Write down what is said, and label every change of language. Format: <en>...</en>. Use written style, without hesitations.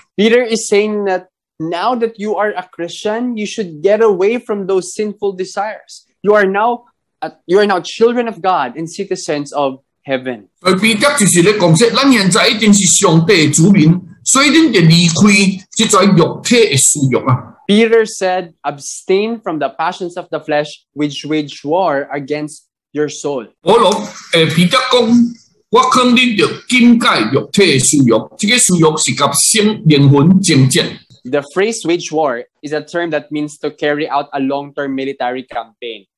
<en>Peter is saying that now that you are a Christian, you should get away from those sinful desires. You are now children of God and citizens of heaven.</en> <nan>彼得就是在说，咱现在已经是上帝的子民。</nan> <en>Peter said, "Abstain from the passions of the flesh which wage war against your soul." The phrase "wage war" is a term that means to carry out a long-term military campaign.</en>